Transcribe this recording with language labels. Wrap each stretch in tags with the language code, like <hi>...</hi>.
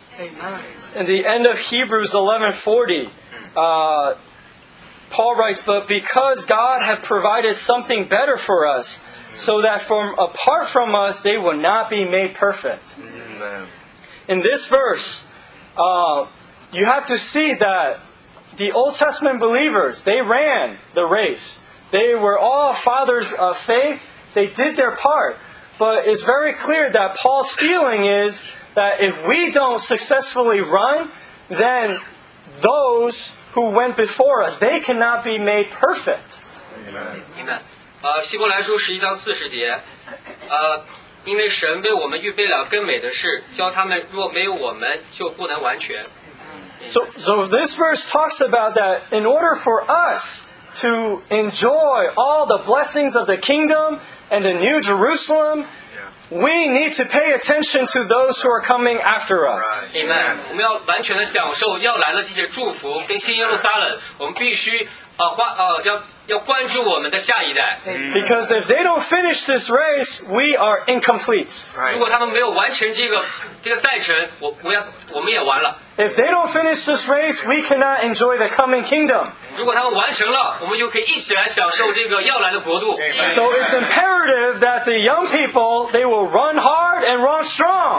<en>In the end of Hebrews 11:40, Paul writes, "But because God had provided something better for us, so that from apart from us they would not be made perfect." In this verse, you have to see that the Old Testament believers, they ran the race. They were all fathers of faith. They did their part, but it's very clear that Paul's feeling is that if we don't successfully run, then those who went before us, they cannot be made perfect. Amen. Amen.</en> <zh>希伯来书11:40，因为神为我们预备了更美的事，叫他们若没有我们，就不能完全。</zh> <en>So this verse talks about that in order for us to enjoy all the blessings of the kingdom and the new Jerusalem, we need to pay attention to those who are coming after us. Amen.</en> <zh>我们要完全的享受要来的这些祝福跟新耶路撒冷，我们必须要关注我们的下一代。</zh> <en>Because if they don't finish this race, we are incomplete.</en> <zh>如果他们没有完成这个赛程，我们也完了。</zh> <en>If they don't finish this race, we cannot enjoy the coming kingdom.</en> <zh>如果他们完成了，我们就可以一起来享受这个要来的国度。</zh> <en>So it's imperative that the young people, they will run hard and run strong.</en>